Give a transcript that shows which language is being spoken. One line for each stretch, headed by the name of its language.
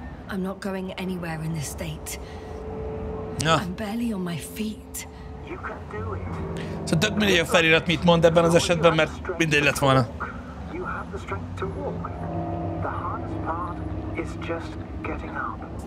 English: I'm not going anywhere in this state. I'm barely on my feet. You can do it.
Hungarian: Szóval tök mindegy, a felirat mit mond ebben az esetben, mert mindegy lett volna.
English: You have the strength to walk. The hardest part is just getting up.